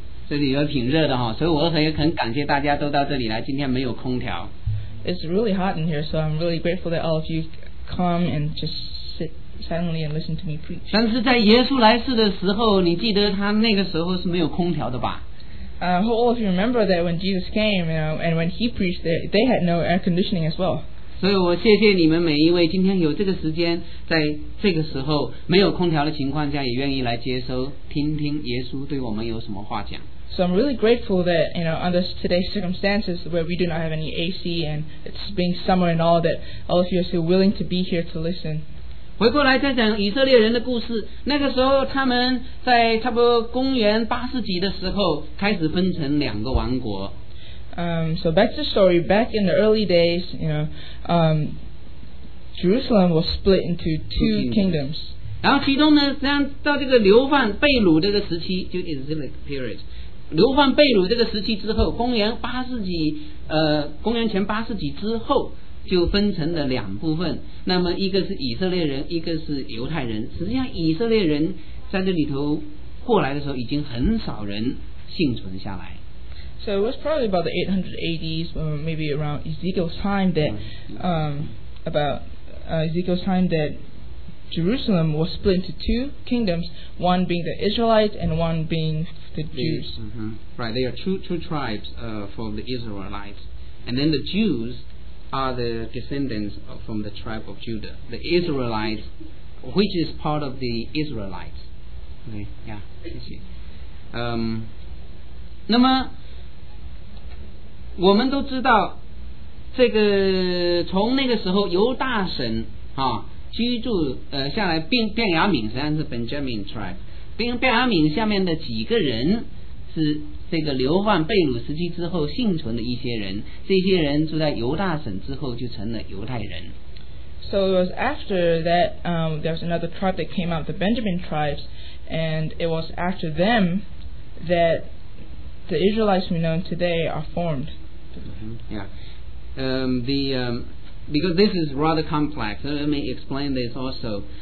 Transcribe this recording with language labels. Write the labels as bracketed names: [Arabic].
[Chinese] 这里有挺热的，所以我很感谢大家都到这里来，今天没有空调。 [English] It's really hot in here, so I'm really grateful that all of you come and just sit silently and listen to me preach. [Chinese] 但是在耶稣来世的时候，你记得他那个时候是没有空调的吧？ [English] All of you remember that when Jesus came, you know, and when he preached, they had no air conditioning as well. [Chinese] 所以我谢谢你们每一位今天有这个时间，在这个时候没有空调的情况下，也愿意来接收听听耶稣对我们有什么话讲。 [English] So I'm really grateful that, you know, under today's circumstances where we do not have any AC and it's being summer and all, that all of you are still willing to be here to listen. [Chinese] 回过来再讲以色列人的故事。那个时候他们在差不多公元八世纪的时候开始分成两个王国。 [English] So back to the story, back in the early days, you know, Jerusalem was split into two kingdoms. [Chinese] 然后其中呢，这样到这个流放被掳这个时期，就 [English] Israelic period。 [Chinese] 流放被掳这个时期之后，公元八世纪，公元前八世纪之后，就分成了两部分。那么一个是以色列人，一个是犹太人。实际上，以色列人在这里头过来的时候，已经很少人幸存下来。 [English] So it was probably about the 880s, or maybe around Ezekiel's time that, Ezekiel's time that Jerusalem was split into two kingdoms, one being the Israelites and one being the Jews. Uh-huh. Right, they are two tribes from the Israelites, and then the Jews are the descendants from the tribe of Judah. The Israelites, which is part of the Israelites. Okay, yeah, thank you. [Chinese] 那么我们都知道，这个从那个时候犹大省啊居住下来，便雅敏实际上是 [English] Benjamin tribe， [Chinese] 便雅敏下面的几个人是这个流放被掳时期之后幸存的一些人，这些人住在犹大省之后就成了犹太人。 [English] So it was after that there was another tribe that came out, the Benjamin tribes, and it was after them that. The Israelites we know today are formed. Mm-hmm. Yeah. The because this is rather complex, so let me explain this also.